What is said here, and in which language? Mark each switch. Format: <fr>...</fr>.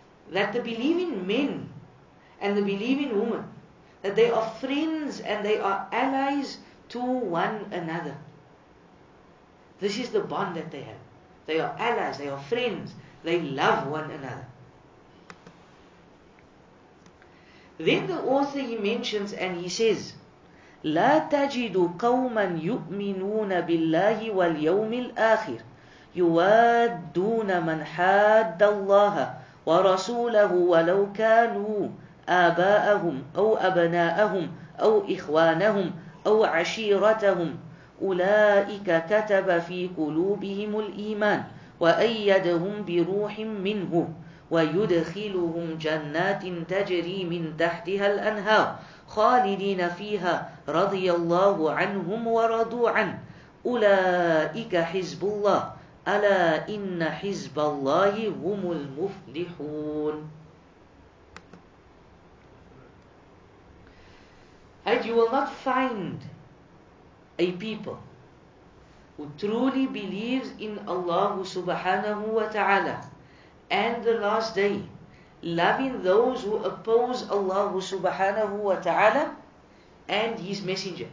<en>That the believing men and the believing women, that they are friends and they are allies to one another. This is the bond that they have. They are allies, they are friends, they love one another. Then the author, he mentions and he says,</en> <ar>لا تجد قوما يؤمنون بالله واليوم الآخر يوادون من حاد الله ورسوله ولو كانوا آباءهم أو أبناءهم أو إخوانهم أو عشيرتهم أولئك كتب في قلوبهم الإيمان وأيدهم بروح منه ويدخلهم جنات تجري من تحتها الأنهار خالدين فيها رضي الله عنهم ورضوا عنه أولئك حزب الله ألا إن حزب الله هم المفلحون.</ar> <en>And you will not find a people who truly believes in Allah subhanahu wa ta'ala and the last day, loving those who oppose Allah subhanahu wa ta'ala and his messenger.</en>